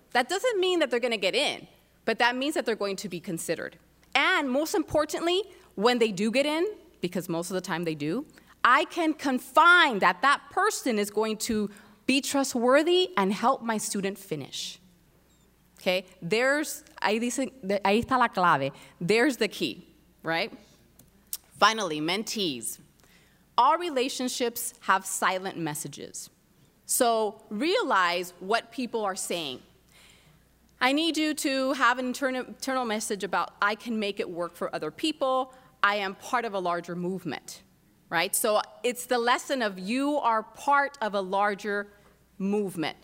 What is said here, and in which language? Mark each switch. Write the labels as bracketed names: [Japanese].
[English] That doesn't mean that they're going to get in, but that means that they're going to be considered. And most importantly, when they do get in, because most of the time they do, I can confine that that person is going to be trustworthy and help my student finish. Okay? There's, [Spanish] ahí está la clave. [English] There's the key, right? Finally, mentees. All relationships have silent messages. So realize what people are saying. I need you to have an internal message about I can make it work for other people. I am part of a larger movement, right? So it's the lesson of you are part of a larger movement.